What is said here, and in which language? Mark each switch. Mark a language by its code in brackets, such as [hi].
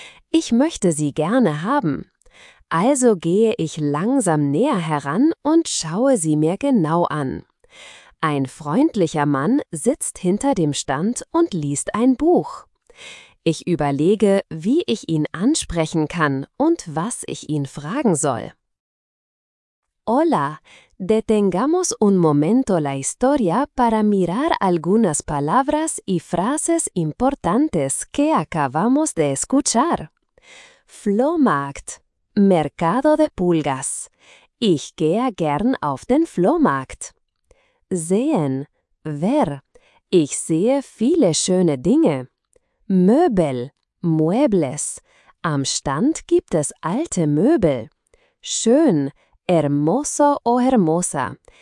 [de] Ich möchte sie gerne haben. Also gehe ich langsam näher heran und schaue sie mir genau an. Ein freundlicher Mann sitzt hinter dem Stand und liest ein Buch. Ich überlege, wie ich ihn ansprechen kann und was ich ihn fragen soll. [es] Hola, detengamos un momento la historia para mirar algunas palabras y frases importantes que acabamos de escuchar. Flohmarkt, mercado de pulgas. [de] Ich gehe gern auf den Flohmarkt. Sehen, ver. Ich sehe viele schöne Dinge. Möbel, muebles. Am Stand gibt es alte Möbel. Schön, [es] hermoso o hermosa.